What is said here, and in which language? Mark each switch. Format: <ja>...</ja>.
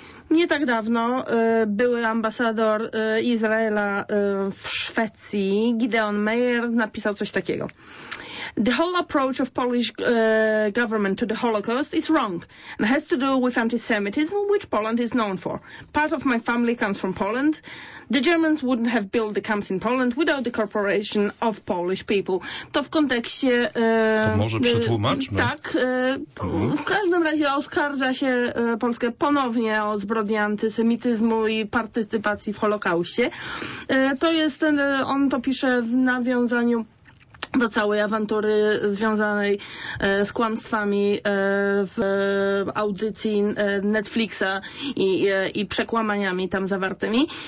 <pl>Nie tak dawno były ambasador Izraela w Szwecji, Gideon Meir, napisał coś takiego.</pl> <en>The whole approach of Polish government to the Holocaust is wrong and has to do with antisemitism, which Poland is known for. Part of my family comes from Poland. The Germans wouldn't have built the camps in Poland without the cooperation of Polish people.</en> <pl>To w kontekście... To może przetłumaczmy. Tak. W każdym razie oskarża się Polskę ponownie o zbrodnie antysemityzmu i partycypacji w Holokauście. To jest... on to pisze w nawiązaniu do całej awantury związanej z kłamstwami w audycji Netflixa i przekłamaniami tam zawartymi.</pl>